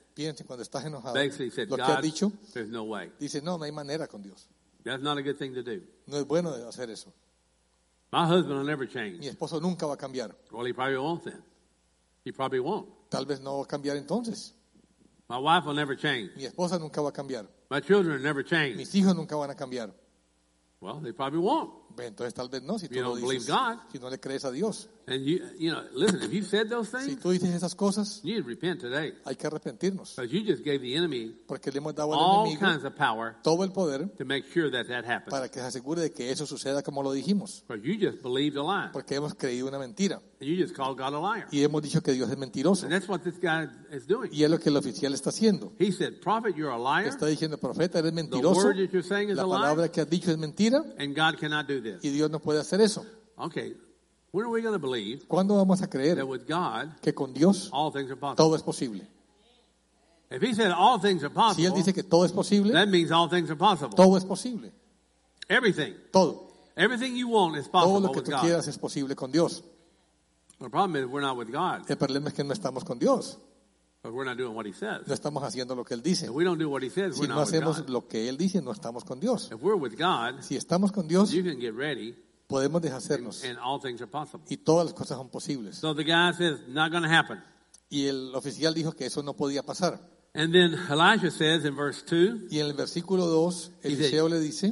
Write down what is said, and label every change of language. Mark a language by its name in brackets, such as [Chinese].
[Spanish] Piensen cuando estás enojado. [English] Basically said, [Spanish] lo que has dicho. [English] There's no way. [Spanish] Dice, no, no hay manera con Dios. [English] That's not a good thing to do. [Spanish] No es bueno hacer eso. [English] My husband will never change. [Spanish] Mi esposo nunca va a cambiar. [English] Well, he probably won't then. He probably won't. [Spanish] Tal vez no va a cambiar entonces. [English] My wife will never change. [Spanish] Mi esposa nunca va a cambiar. [English] My children will never change. [Spanish] Mis hijos nunca van a cambiar. [English] Well, they probably won't. [Spanish] Entonces tal vez no, si [English] you [Spanish] tú lo [English] don't [Spanish] dices, [English] believe God. [Spanish] Si no le crees a Dios. [English] And you know, listen, if you've said those things, [Spanish] si tú dices esas cosas, [English] you need to repent today. [Spanish] Hay que arrepentirnos. [English] Because you just gave the enemy [Spanish] porque le hemos dado al [English] all [Spanish] enemigo [English] kinds of power [Spanish] todo el poder [English] to make sure that that happens. [Spanish] Para que se asegure de que eso suceda como lo dijimos. [English] Because you just believed a lie. [Spanish] Porque hemos creído una mentira. [English] And you just called God a liar. [Spanish] Y hemos dicho que Dios es mentiroso. [English] And that's what this guy is doing. [Spanish] Y es lo que el oficial está haciendo. [English] He said, prophet, you're a liar. [Spanish] Está diciendo, profeta, eres mentiroso. [English] The word that you're saying is [Spanish] la palabra [English] a [Spanish] que has dicho es mentira. [English] And God cannot do this. [Spanish] Y Dios no puede hacer eso. [English] Okay. When are we going to believe? [Spanish] ¿Cuándo vamos a creer [English] that with God, [Spanish] que con Dios, [English] all things are possible? [Spanish] Todo es posible. [English] If he said all things are possible, [Spanish] si él dice que todo es posible, [English] that means all things are possible. [Spanish] Todo es posible. [English] Everything. [Spanish] Todo. [English] Everything you want is possible with God. [Spanish] Todo lo que tú quieras es posible con Dios. [English] The problem is we're not with God. [Spanish] El problema es que no estamos con Dios. [English] But we're not doing what he says. [Spanish] No estamos haciendo lo que él dice. [English] If we don't do what he says, [Spanish] si [English] we're [Spanish] no [English] not [Spanish] hacemos [English] with God. [Spanish] Lo que él dice, no estamos con Dios. [English] If we're with God, [Spanish] si estamos con Dios, [English] you can get ready. [Spanish] Podemos deshacernos. [English] And all things are possible. [Spanish] Y todas las cosas son posibles. [English] So the guy says, not going to happen. [Spanish] Y el oficial dijo que eso no podía pasar. [English] And then Elijah says in verse 2. [Spanish] Y en el versículo 2, Eliseo le dice,